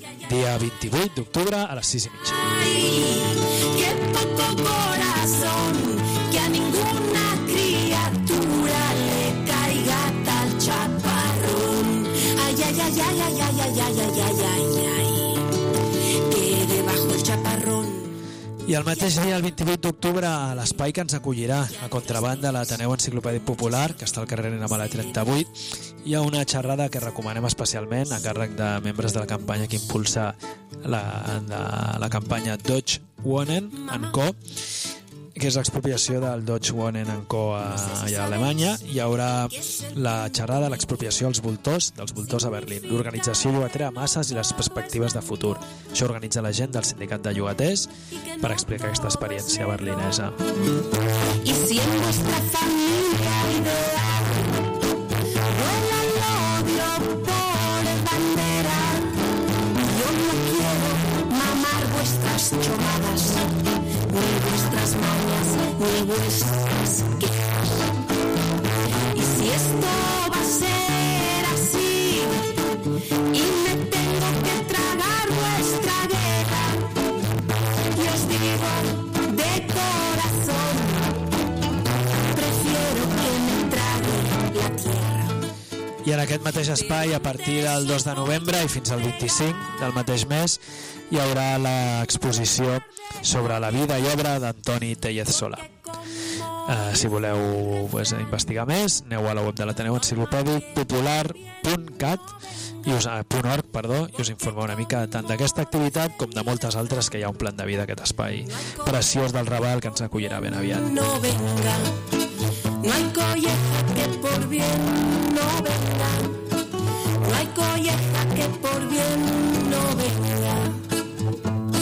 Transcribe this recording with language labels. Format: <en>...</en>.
<ca>dia 28 d'octubre a les 6 i mitja.</ca> <es>Ai, que poco corazón, que a ninguna criatura le caiga tal chaparrón. Ay, ay, ay, ay, ay, ay, ay, ay, ay, ay, ay, ay, que debajo el chaparrón.</es> <ca>I el mateix dia, el 28 d'octubre, a l'espai que ens acollirà, a contrabanda de l'Ateneu Enciclopèdic Popular, que està al carrer Nena Mala 38, hi ha una xerrada que recomanem especialment a càrrec de membres de la campanya que impulsa la campanya Dodge Wonen & Co., que és l'expropiació del Dodge Wonen & Co. a Alemanya. Hi haurà la xerrada, l'expropiació dels voltors a Berlín, l'organització llogatera a masses i les perspectives de futur. Això organitza la gent del sindicat de llogaters per explicar aquesta experiència berlinesa.</ca> <es>I si en vostra família ideal vola l'odio por bandera, yo no quiero mamar vuestras chomadas ni vuestras mañas ni vuestras quejas. Y si esto va a ser así y me tengo que tragar vuestra guerra, y os digo de corazón, prefiero que me trague la tierra.</es> <ca>I en aquest mateix espai, a partir del 2 de novembre i fins al 25 del mateix mes, hi haurà l'exposició sobre la vida i obra d'Antoni Téllez Solà. Si voleu pues, investigar més, aneu a la web de l'Ateneu Enciclopèdic Popular.cat i us, .org, perdó, i us informeu una mica tant d'aquesta activitat com de moltes altres, que hi ha un plan de vida aquest espai preciós del Raval que ens acollirà ben aviat.</ca> <es>No venga, no hay colleja que por bien no venga, no hay colleja que por bien no venga.</es>